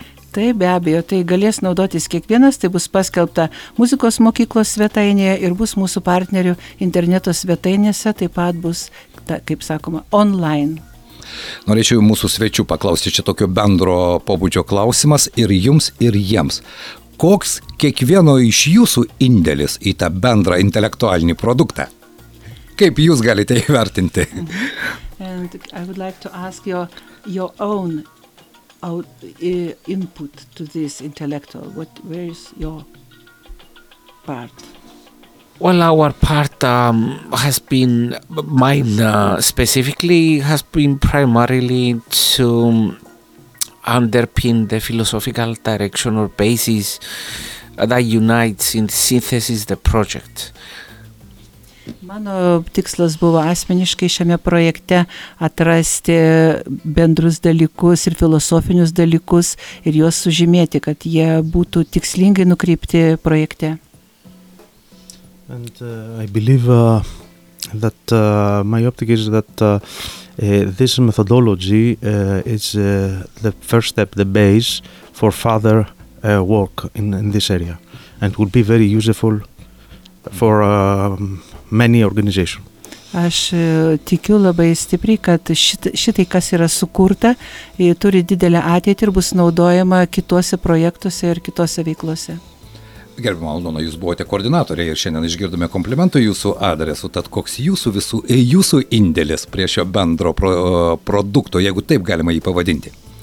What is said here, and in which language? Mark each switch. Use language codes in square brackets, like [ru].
[lt] Taip, be abejo, tai galės naudotis kiekvienas, tai bus paskelbta muzikos mokyklos svetainėje ir bus mūsų partnerių interneto svetainėse, taip pat bus, kaip sakoma, online. Norėčiau mūsų svečių paklausti čia tokio bendro pobūdžio klausimas ir jums, ir jiems. Koks kiekvieno iš jūsų indėlis į tą bendrą intelektualinį produktą? Kaip jūs galite įvertinti? [en] And I would like to ask your own input to this intellectual. What, where is your part? Well, our part has been, mine specifically, has been primarily to underpin the philosophical direction or basis that unites in synthesis the project. [lt] Mano tikslas buvo asmeniškai šiame projekte atrasti bendrus dalykus ir filosofinius dalykus ir juos sužymėti, kad jie būtų tikslingai nukreipti projekte. [en] And I believe that my optic is that this methodology is the first step, the base for further work in this area, and would be very useful for many organizations. [lt] Aš tikiu labai stipriai, kad šitai, kas yra sukurta, turi didelę ateitį ir bus naudojama kituose projektuose ir kituose veiklose. Gerbimo Aldona, jūs buvote koordinatoriai ir šiandien išgirdome komplimentų jūsų adresu, tad koks jūsų visų jūsų indėlis prie šio bendro produkto, jeigu taip galima jį pavadinti?